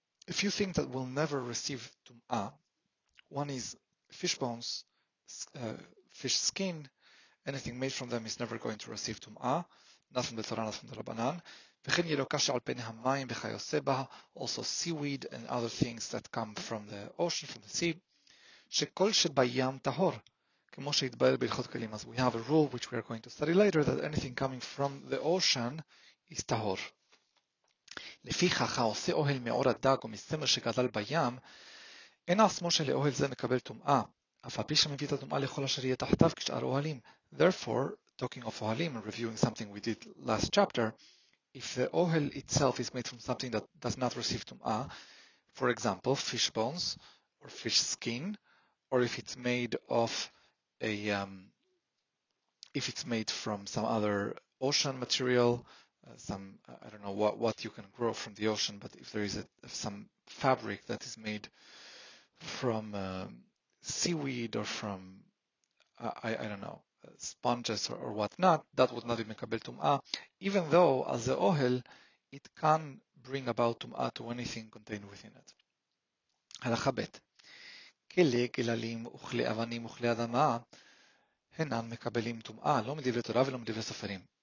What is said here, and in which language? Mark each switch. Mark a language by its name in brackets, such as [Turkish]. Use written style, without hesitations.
[English] A few things that will never receive טומאה, one is fish bones, fish skin, anything made from them is never going to receive טומאה, nothing from the Torah, nothing from the Rabbanan. [Hebrew] וכן ירוקה שעל פני המים וכיוצא בה, [English] also seaweed and other things that come from the ocean, from the sea, [Hebrew] שכל שבים טהור, כמו שהתבאר בהלכות כלים. [English] אז we have a rule which we are going to study later, that anything coming from the ocean is טהור. [Hebrew] לפיכך, העושה אוהל מאור הדג או מסמר שגדל בים, אין עצמו של אוהל זה מקבל טומאה, אף הפי שמביא את הטומאה לכל אשר יהיה תחתיו כשאר אוהלים. [English] Therefore, talking of אוהלים, reviewing something we did last chapter, if the ohel itself is made from something that does not receive tum'ah, for example, fish bones or fish skin, or if it's made of a if it's made from some other ocean material, some I don't know what you can grow from the ocean, but if there is some fabric that is made from seaweed or from I don't know. Sponges or whatnot, that would not be mekabel tum'ah, even though as the ohel, it can bring about tum'ah to anything contained within it. [Hebrew] הלכה ב', כלי גללים וכלי אבנים וכלי אדמה, הנם מקבלים תום'ה, לא מדברי תורה ולא מדברי סופרים.